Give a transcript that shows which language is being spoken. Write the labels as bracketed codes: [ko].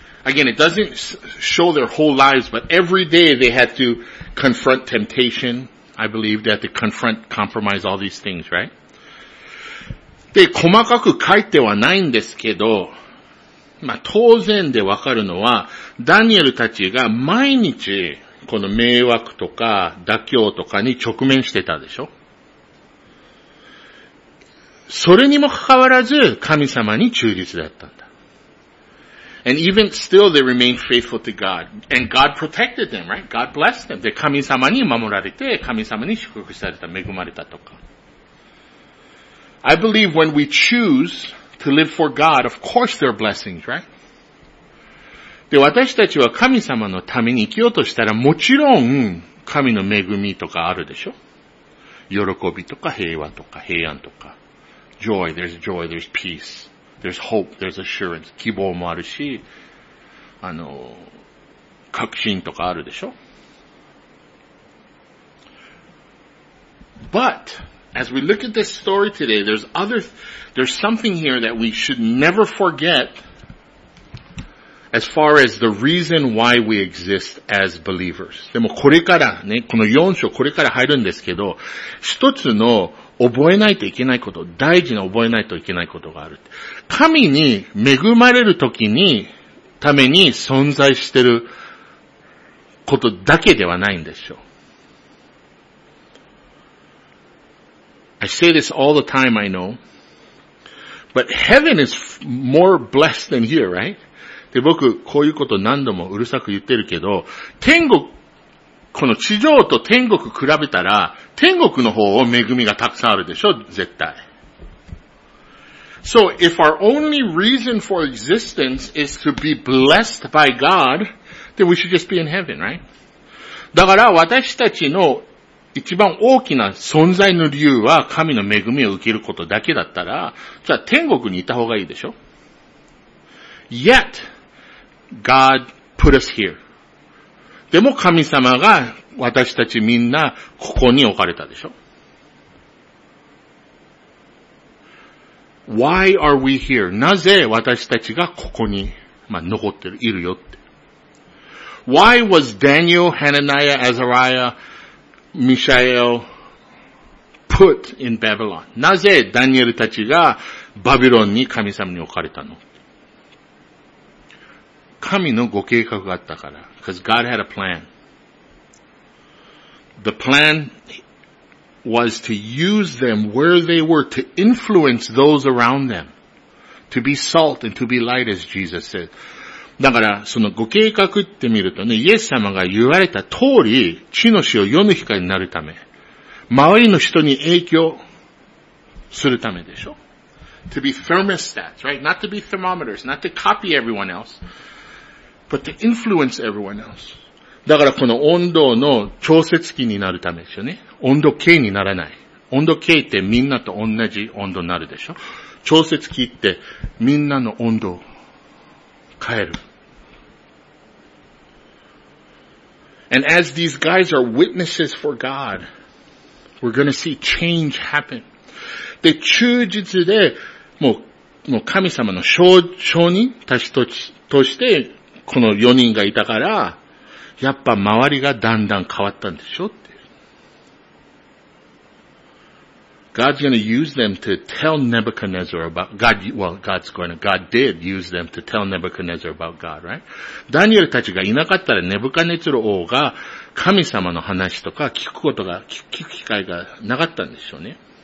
[en] Again, it doesn't show their whole lives, but every day they had to confront temptation. I believe they had to confront, compromise all these things, right? [ja] で、細かく書いてはないんですけど、まあ、当然でわかるのは、ダニエルたちが毎日、この迷惑とか妥協とかに直面してたでしょ。それにもかかわらず、神様に忠実だったんだ。 [en] And even still they remained faithful to God. And God protected them, right? God blessed them. [ja] で、神様に守られて、神様に祝福された、恵まれたとか。 [en] I believe when we choose to live for God, of course there are blessings, right? [ja] で、私たちは神様のために生きようとしたら、もちろん神の恵みとかあるでしょ？喜びとか平和とか平安とか。 [en] Joy, there's joy, there's peace. There's hope, there's assurance. [ja] 希望もあるし、確信とかあるでしょ？ [en] But... As we look at this story today, there's something here that we should never forget as far as the reason why we exist as believers. [ja] でもこれからね、この4章これから入るんですけど、一つの覚えないといけないこと、大事な覚えないといけないことがある。神に恵まれるときに、ために存在してることだけではないんでしょう。 [en] I say this all the time, I know. But heaven is more blessed than here, right? [ja] で、僕、こういうこと何度もうるさく言ってるけど、天国、この地上と天国比べたら、天国の方を恵みがたくさんあるでしょ、絶対。 [en] So, if our only reason for existence is to be blessed by God, then we should just be in heaven, right? [ja] だから、私たちの一番大きな存在の理由は神の恵みを受けることだけだったら、じゃあ天国にいた方がいいでしょ。 [en] Yet, God put us here. [ja] でも神様が私たちみんなここに置かれたでしょ。 [en] Why are we here? [ja] なぜ私たちがここに、まあ、残ってる、いるよって。 [en] Why was Daniel, Hananiah, Azariah,ミシャエル put in Babylon. [ja] なぜダニエルたちがバビロンに神様に置かれたの？神のご計画があったから。 [en] Because God had a plan. The plan was to use them where they were to influence those around them. To be salt and to be light as Jesus said. [ja] だからそのご計画ってみるとね、イエス様が言われた通り、地の塩、世の光になるため、周りの人に影響するためでしょ。 [en] To be thermostats, right? Not to be thermometers, not to copy everyone else, but to influence everyone else. [ja] だからこの温度の調節器になるためですよね。温度計にならない。温度計ってみんなと同じ温度になるでしょ。調節器ってみんなの温度帰る。 [en] And as these guys are witnesses for God, we're going to see change happen. [ja] で、忠実で、もう神様の証人たちとして、この4人がいたから、やっぱ周りがだんだん変わったんでしょって。 [en] God's going to use them to tell Nebuchadnezzar about God. Well, God did use them to tell Nebuchadnezzar about God, right? [ja] ダニエルたちがいなかったらネブカネツロ王が神様の話とか聞くことが聞く機会がなかったんでしょうね。